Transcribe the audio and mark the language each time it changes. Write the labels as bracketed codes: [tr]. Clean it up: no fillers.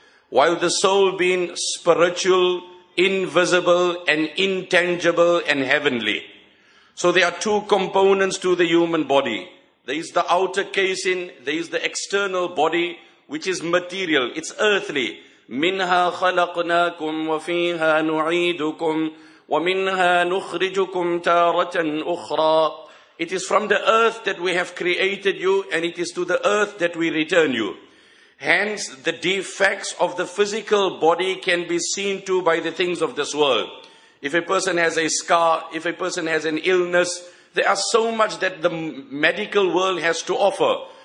[en] While the soul being spiritual, invisible and intangible and heavenly. So there are two components to the human body. There is the outer casing, there is the external body, which is material, it's earthly. [ar] منها خلقناكم وفيها نعيدكم ومنها نخرجكم تارة أخرى. [en] It is from the earth that we have created you, and it is to the earth that we return you. Hence, the defects of the physical body can be seen to by the things of this world. If a person has a scar, if a person has an illness, there are so much that the medical world has to offer.